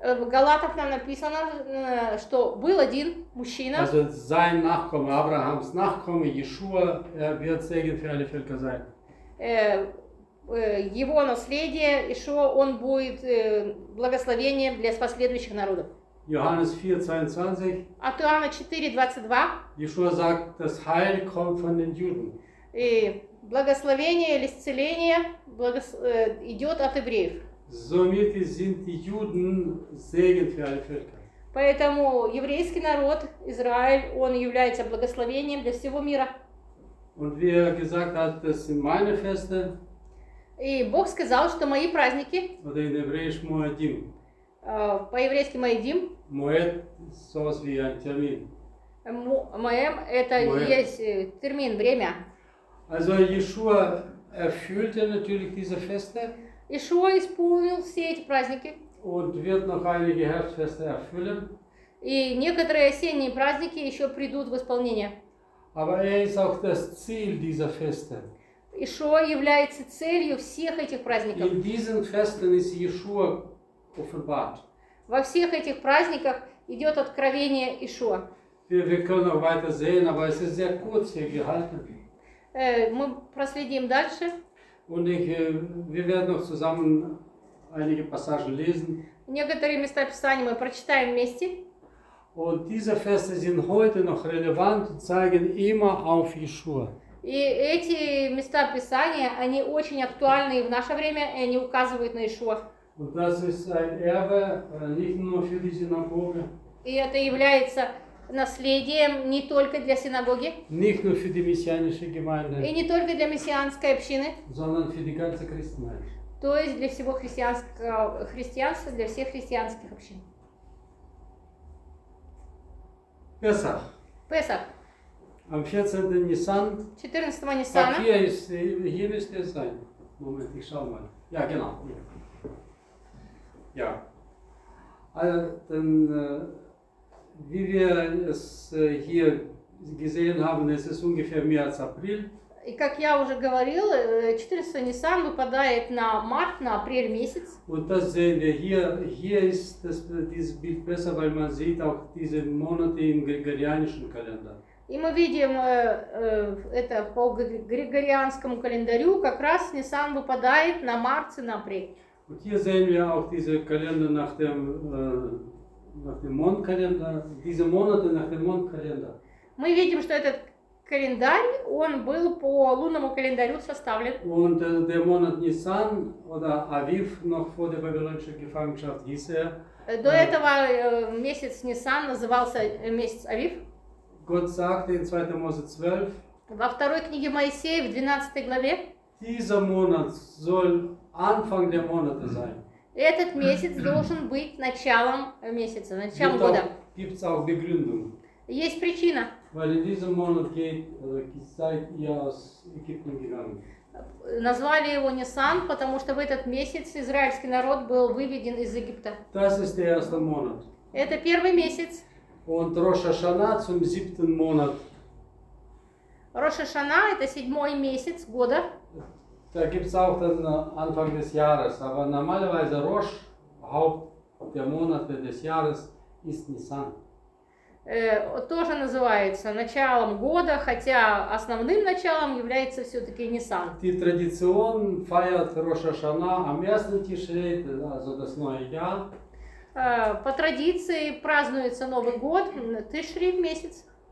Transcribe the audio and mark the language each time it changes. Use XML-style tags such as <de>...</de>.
<ru>Галатов нам написано, что был один мужчина.</ru> <de>Sein Nachkomme, Abrahams Nachkomme, Yeshua, wird Segen für alle Völker sein.</de> <ru>Его наследие, Ишуа, он будет благословением для последующих народов.</ru> <de>Johannes 4:22.</de> <ru>От Иоанна 4:22.</ru> <de>Ишуа sagt, das Heil kommt von den Juden.</de> <ru>И благословение или исцеление идет от евреев.</ru> <de>Somit sind die Juden Segen für alle Völker.</de> <ru>Поэтому еврейский народ, Израиль, он является благословением для всего мира.</ru> <de>Und wie er gesagt hat, das sind meine Feste.</de> <ru>И Бог сказал, что мои праздники, Моэдим, по-еврейски Моэдим, Моэд, соус ви антермин. Моэм – это Моэд. Есть термин, время.</ru> <de>Also, Yeshua erfüllte natürlich diese Feste.</de> <ru>Ишуа исполнил все эти праздники.</ru> <de>Und wird noch einige Herbstfeste erfüllen.</de> <ru>И некоторые осенние праздники еще придут в исполнение.</ru> <de>Aber er ist auch das Ziel dieser Feste.</de> <ru>Иешуа является целью всех этих праздников.</ru> <de>In diesen Festen ist Yeshua offenbart.</de> <ru>Во всех этих праздниках идет откровение Иешуа.</ru> <de>Wir können auch weiter sehen, aber es ist sehr kurz hier gehalten.</de> <ru>Мы проследим дальше.</ru> <de>Und wir werden noch zusammen einige Passagen lesen.</de> <ru>Некоторые места Писания мы прочитаем вместе.</ru> <de>Und diese Feste sind heute noch relevant und zeigen immer auf Yeshua.</de> <ru>И эти места Писания, они очень актуальны в наше время, и они указывают на Иешуа.</ru> <de>Und das ist ein Erbe, nicht nur für die Synagoge.</de> <ru>И это является наследием не только для синагоги.</ru> <de>Nicht nur für die messianische Gemeinde.</de> <ru>И не только для мессианской общины.</ru> <de>Sondern für die ganze Christenheit.</de> <ru>То есть для всего христианского христианства, для всех христианских общин. Песах. Песах.</ru> <de>Am 14. Nisan. 14. Nisan. Ach, hier müsste es sein. Moment, ich schau mal. Ja, genau. Ja. Also, dann, wie wir es hier gesehen haben, es ist ungefähr März, April.</de> <ru>И как я уже говорил, 14 Нисан выпадает на март, на апрель месяц. Вот</ru> <de>das sehen wir hier ist das, dieses Bild besser, weil man sieht auch diese Monate im gregorianischen Kalender.</de> <ru>И мы видим это по григорианскому календарю, как раз Нисан выпадает на март и на апрель. Вот</ru> <de>hier sehen wir auch diese Kalender nach dem Mondkalender, diese Monate nach dem Mondkalender.</de> <ru>Мы видим, что этот календарь, он был по лунному календарю составлен.</ru> <de>Und der Monat Nisan oder Aviv noch vor der babylonischen Gefangenschaft hieß er.</de> <ru>До этого месяц Нисан назывался месяц Авив.</ru> <de>Gott sagte in 2. Mose 12.</de> <ru>Во второй книге Моисея в 12 главе.</ru> <de>Dieser Monat soll Anfang der Monate sein.</de> <ru>Этот месяц должен быть началом месяца, началом года.</ru> <de>Gibt's auch Begründung.</de> <ru>Есть причина.</ru> <de>Weil in diesem Monat geht, seid ihr aus Ägypten gegangen.</de> <ru>Назвали его Нисан, потому что в этот месяц израильский народ был выведен из Египта.</ru> <de>Das ist der erste Monat.</de> <ru>Это первый месяц.</ru> <de>Und Rosh Hashanah zum siebten Monat.</de> <ru>Rosh Hashanah – это седьмой месяц года.</ru> <de>Da gibt's auch den Anfang des Jahres, aber normalerweise Rosh, Haupt der Monate des Jahres, ist Nisan.</de> <ru>Тоже называется началом года, хотя основным началом является все-таки Нисан.</ru> <de>Die Tradition feiert Rosh Hashanah am ersten Tishrei, also das neue Jahr.</de> <ru>По традиции празднуется Новый год, Тишри в месяц.</ru>